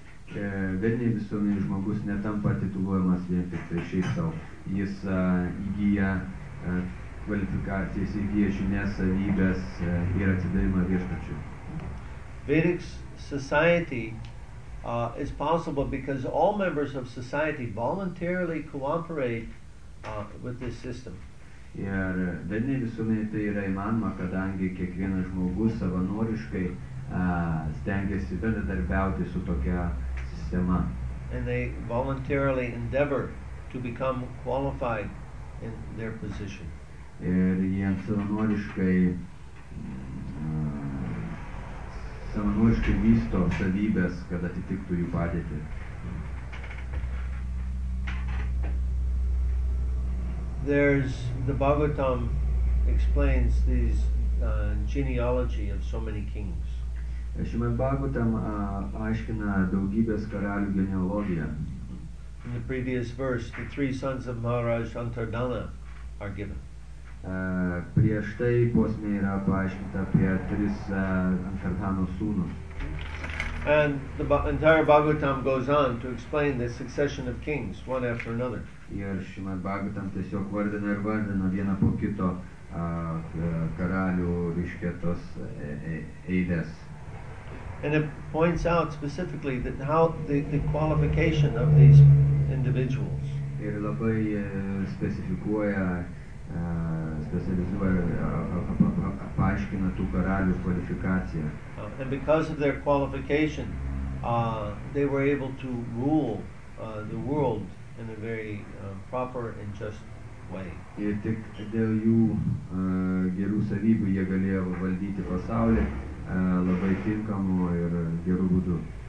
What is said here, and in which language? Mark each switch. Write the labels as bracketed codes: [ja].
[lt] Vedinėje visuomenėje žmogus netampa tituluojamas vien tik šiaip sau. Jis įgyja kvalifikacijas, įgyja žinias, savybes ir atsidavimą viešpačiui. [en] Vedic society is possible because all members of society voluntarily cooperate with this system. [lt] Ir vedinėje visuomenėje tai yra įmanoma, kadangi kiekvienas žmogus savanoriškai stengiasi bendradarbiauti su tokia. [en] And they voluntarily endeavor to become qualified in their position. [lt] Ir jiems savanoriškai vysto savybės, kad atitiktų jų padėtį. [en] There's the Bhagavatam explains these genealogy of so many kings. [lt] Šimad Bhagavatam aiškina daugybės karalių genealogiją. [en] In the previous verse, the three sons of Maharaj Antardana are given. [lt] Prieš tai posmė yra paaiškinta apie tris Antardano sūnus. [en] And the entire Bhagavatam goes on to explain the succession of kings, one after another. [lt] Ir Šimad Bhagavatam tiesiog vardina vieną po kito karalių ryškėtos eilės. [en] And it points out specifically that how the qualification of these individuals. [lt] Ir labai specifikuoja specializuoja paaiškina tų karalių kvalifikaciją. [en] And because of their qualification, they were able to rule the world in a very proper and just way. [lt] Ir tik dėl jų gerų savybių jie galėjo valdyti pasaulį labai tinkamu ir geru būdu.